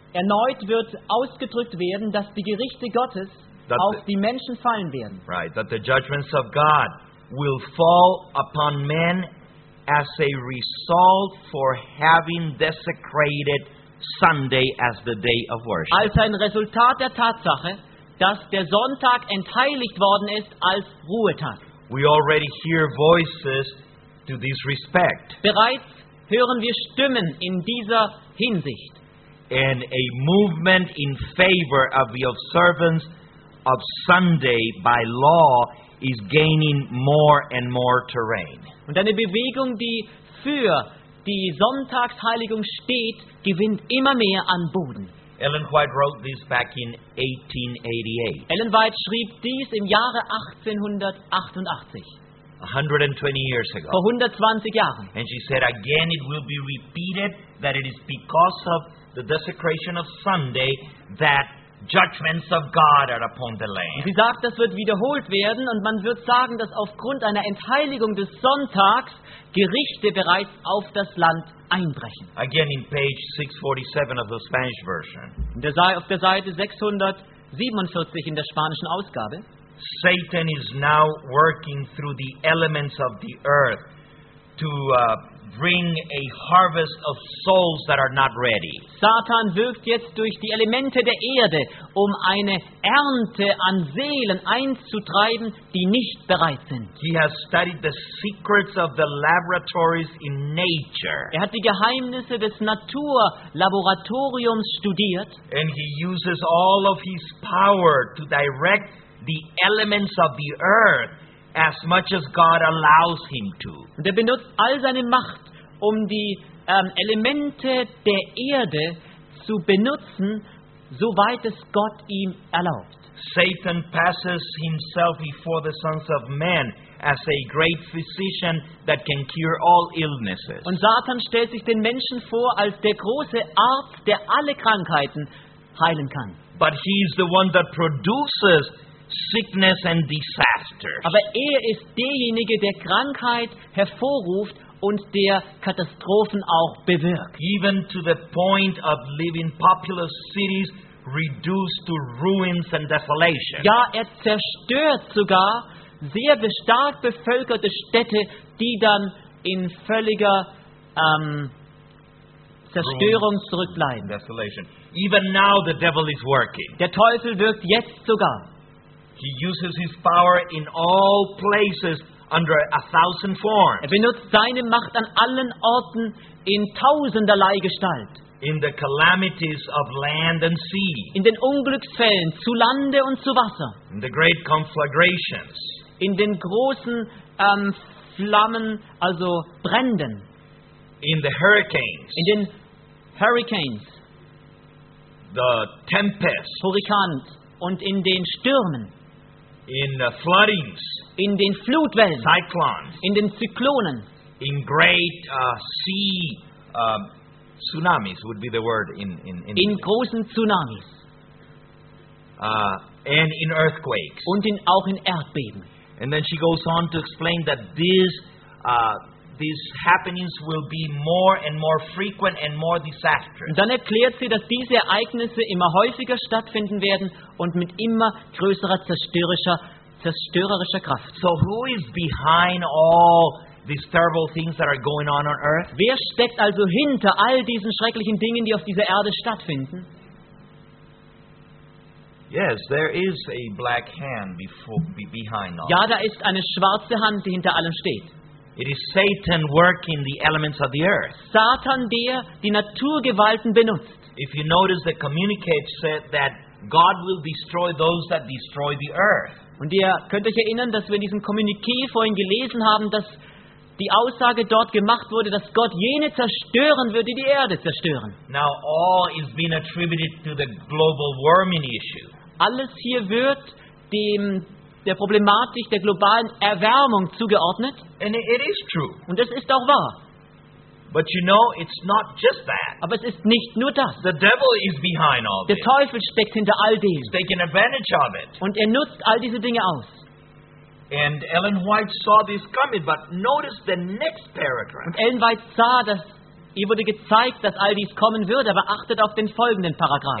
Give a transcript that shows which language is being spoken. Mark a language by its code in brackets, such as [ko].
[de] Erneut wird ausgedrückt werden, dass die Gerichte Gottes auf die Menschen fallen werden. [en] Right, that the judgments of God will fall upon men as a result for having desecrated Sunday as the day of worship. [de] Als ein Resultat der Tatsache, dass der Sonntag entheiligt worden ist als Ruhetag. [en] We already hear voices to this respect. [de] Bereits hören wir Stimmen in dieser Hinsicht. [en] And a movement in favor of the observance of Sunday by law is gaining more and more terrain. [de] Und eine Bewegung, die für die Sonntagsheiligung steht, gewinnt immer mehr an Boden. [en] Ellen White wrote this back in 1888. [de] Ellen White schrieb dies im Jahre 1888. [en] 120 years ago. [de] Vor 120 Jahren. [en] And she said, again it will be repeated that it is because of the desecration of Sunday that judgments of God are upon the land. [de] Sie sagt, das wird wiederholt werden und man wird sagen, dass aufgrund einer Entheiligung des Sonntags Gerichte bereits auf das Land einbrechen. [en] Again in page 647 of the Spanish version. [de] Auf der Seite 647 in der spanischen Ausgabe. [en] Satan is now working through the elements of the earth to bring a harvest of souls that are not ready. [de] Satan wirkt jetzt durch die Elemente der Erde, um eine Ernte an Seelen einzutreiben, die nicht bereit sind. [en] He has studied the secrets of the laboratories in nature. [de] Er hat die Geheimnisse des Naturlaboratoriums studiert. [en] And he uses all of his power to direct the elements of the earth as much as God allows him to. [de] Und er benutzt all seine Macht, um die Elemente der Erde zu benutzen, soweit es Gott ihm erlaubt. [en] Satan passes himself before the sons of men as a great physician that can cure all illnesses. [de] Und Satan stellt sich den Menschen vor als der große Arzt, der alle Krankheiten heilen kann. [en] But he is the one that produces sickness and disaster. [de] Aber er ist derjenige, der Krankheit hervorruft und der Katastrophen auch bewirkt. [en] Even to the point of leaving populous cities reduced to ruins and desolation. [de] Ja, er zerstört sogar sehr stark bevölkerte Städte, die dann in völliger Zerstörung ruins, zurückbleiben. [en] Desolation. Even now the devil is working. [de] Der Teufel wirkt jetzt sogar. [en] He uses his power in all places under 1,000 forms. [de] Er benutzt seine Macht an allen Orten in tausenderlei Gestalt. [en] In the calamities of land and sea. [de] In den Unglücksfällen zu Lande und zu Wasser. [en] In the great conflagrations. [de] In den großen Flammen, also Bränden. [en] In the hurricanes. [de] In den Hurricanes. [en] The tempests. [de] Hurrikans und in den Stürmen. [en] In the floodings, [de] in den Flutwellen, [en] cyclones, [de] in den Zyklonen, [en] in great sea tsunamis would be the word in [de] großen Tsunamis, [en] and in earthquakes, [de] und in auch in Erdbeben. [en] And then she goes on to explain that these happenings will be more and more frequent and more disastrous. [de] Und dann erklärt sie, dass diese Ereignisse immer häufiger stattfinden werden und mit immer größerer zerstörerischer Kraft. [en] So who is behind all these terrible things that are going on earth? [de] Wer steckt also hinter all diesen schrecklichen Dingen, die auf dieser Erde stattfinden? [en] Yes, there is a black hand behind all. [de] Ja, da ist eine schwarze Hand, die hinter allem steht. [en] It is Satan working the elements of the earth. [de] Satan, der die Naturgewalten benutzt. [en] If you notice, the communique said that God will destroy those that destroy the earth. [de] Und ihr könnt euch erinnern, dass wir in diesem Kommuniqué vorhin gelesen haben, dass die Aussage dort gemacht wurde, dass Gott jene zerstören würde, die Erde zerstören. [en] Now all is being attributed to the global warming issue. [de] Alles hier wird dem der Problematik der globalen Erwärmung zugeordnet. [en] And it is true. [de] Und es ist auch wahr. [en] But you know, it's not just that. [de] Aber es ist nicht nur das. [en] The devil is behind all [de] this. Der Teufel steckt hinter all dem. [en] He's taking advantage of it. [de] Und er nutzt all diese Dinge aus. [en] And Ellen White saw this coming, but notice the next paragraph. [de] Und Ellen White sah, dass ihr wurde gezeigt, dass all dies kommen würde, aber achtet auf den folgenden Paragraph.